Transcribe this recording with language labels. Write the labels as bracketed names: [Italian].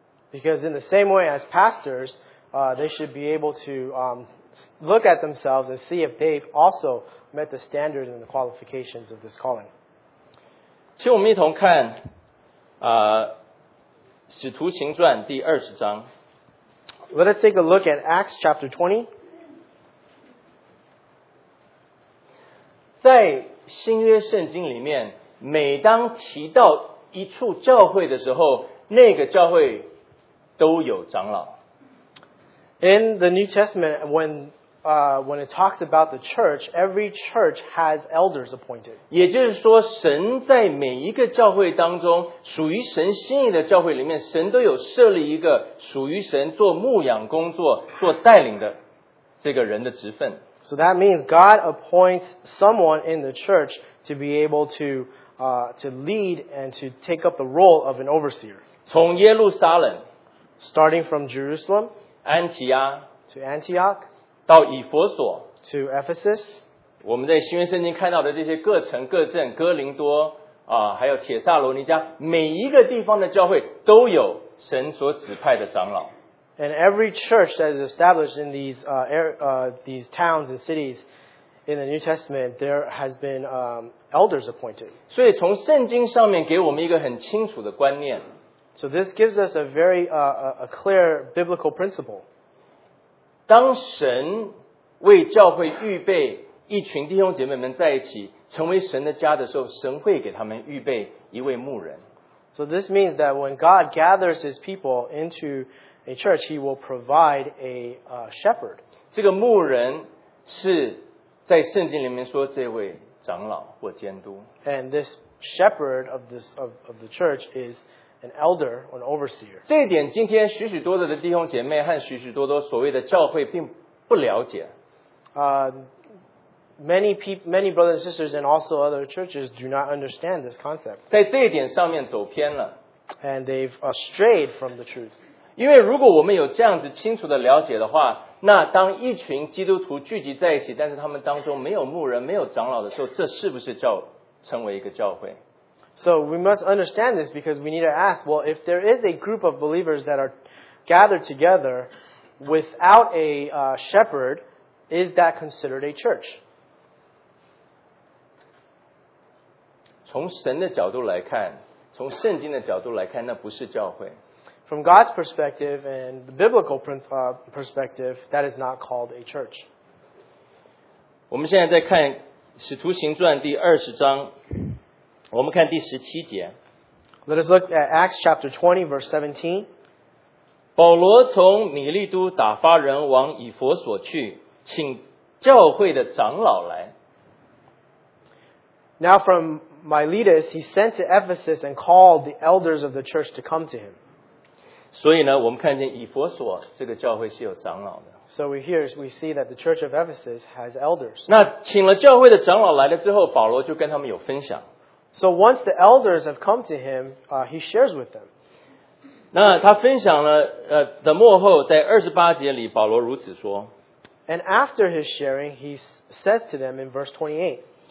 [English] Because in the same way as pastors, they should be able to look at themselves and see if they've also met the standards and the qualifications of this calling. [Chinese] 请我们一同看使徒行传第二十章。 [English] Let us take a look at Acts chapter 20. [Chinese] 在新约圣经里面，每当提到一处教会的时候，那个教会都有长老。 [English] In the New Testament, when it talks about the church, every church has elders appointed. [Chinese] 也就是说，神在每一个教会当中，属于神心意的教会里面，神都有设立一个属于神做牧养工作、做带领的这个人的职分。 [English] So that means God appoints someone in the church to be able to lead and to take up the role of an overseer. [Chinese] 从耶路撒冷 [English] starting from Jerusalem, Antioch, to Antioch, [Chinese] 到以弗所 [English] to Ephesus, [Chinese] 我们在新约圣经看到的这些各城各镇哥林多、还有铁萨罗尼加每一个地方的教会都有神所指派的长老。 [English] And every church that is established in these towns and cities in the New Testament, there has been elders appointed. [Chinese] 所以从圣经上面给我们一个很清楚的观念。 [English] So this gives us a very clear biblical principle. [Chinese] 当神为教会预备一群弟兄姐妹们在一起成为神的家的时候，神会给他们预备一位牧人。 [English] So this means that when God gathers His people into a church, He will provide a shepherd. [Chinese] 这个牧人是在圣经里面说这位长老或监督。 [English] And this shepherd of the church is an elder or an overseer. [Chinese] 这一点今天许许多多的弟兄姐妹和许许多多所谓的教会并不了解。 [English] Many brothers and sisters and also other churches do not understand this concept. [Chinese] 在这一点上面走偏了。 [English] And they've strayed from the truth. [Chinese] 因为如果我们有这样子清楚的了解的话，那当一群基督徒聚集在一起，但是他们当中没有牧人、没有长老的时候，这是不是叫成为一个教会？ [English] So we must understand this because we need to ask, well, if there is a group of believers that are gathered together without a shepherd, is that considered a church? [Chinese] 从神的角度来看，从圣经的角度来看，那不是教会。 [English] From God's perspective and the biblical perspective, that is not called a church. [Chinese] 我们现在在看使徒行传第二十章，我们看第十七节。 [English] Let us look at Acts chapter 20, verse 17. [Chinese] 保罗从米利都打发人往以弗所去，请教会的长老来。 [English] Now from Miletus, he sent to Ephesus and called the elders of the church to come to him. [Chinese] 所以呢，我们看见以弗所这个教会是有长老的。 [English] So we see that the church of Ephesus has elders. [Chinese] 那请了教会的长老来了之后，保罗就跟他们有分享。 [English] So once the elders have come to him, he shares with them. [Chinese] 那他分享了的末后，在二十八节里，保罗如此说。 [English] And after his sharing, he says to them in verse 28,